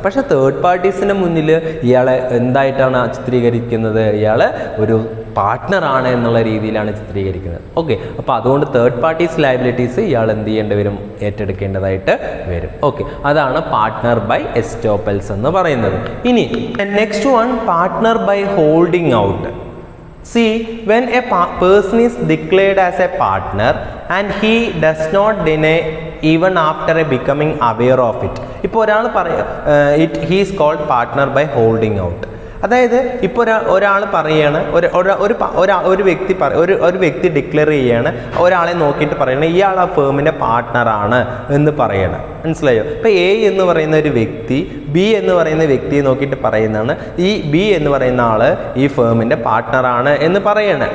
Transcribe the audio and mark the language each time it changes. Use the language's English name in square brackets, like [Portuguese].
[Malayalam] പക്ഷേ തേർഡ് പാർട്ടീസിന് മുന്നിൽ ഇയാളെ എന്തായിട്ടാണ് ചിത്രീകരിക്കുന്നത്, ഇയാളെ ഒരു പാർട്ട്ണറാണ് എന്നുള്ള രീതിയിലാണ് ചിത്രീകരിക്കുന്നത്. ഓക്കെ, അപ്പോൾ അതുകൊണ്ട് തേർഡ് പാർട്ടീസ് ലയബിലിറ്റീസ് ഇയാൾ എന്ത് ചെയ്യേണ്ടി വരും, ഏറ്റെടുക്കേണ്ടതായിട്ട് വരും. ഓക്കെ, അതാണ് പാർട്ട്ണർ ബൈ എസ്റ്റോപ്പൽസ് എന്ന് പറയുന്നത്. ഇനി next one, partner by holding out. [English] See, when a person is declared as a partner and he does not deny even after becoming aware of it. [Malayalam] ഇപ്പോൾ ഒരാൾ പറയുക, [English] It he is called partner by holding out. [Malayalam] അതായത് ഇപ്പോൾ ഒരാൾ പറയുകയാണ്, ഒരു വ്യക്തി declare ചെയ്യുകയാണ്, ഒരാളെ നോക്കിയിട്ട് പറയണം ഇയാൾ ആ ഫേമിൻ്റെ പാർട്ട്ണറാണ് എന്ന് പറയണം. മനസ്സിലായോ? ഇപ്പോൾ എ എന്ന് പറയുന്ന ഒരു വ്യക്തി ബി എന്ന് പറയുന്ന വ്യക്തിയെ നോക്കിയിട്ട് പറയുന്നതാണ് ഈ ബി എന്ന് പറയുന്ന ആൾ ഈ ഫേമിൻ്റെ പാർട്ട്ണറാണ് എന്ന് പറയണേ.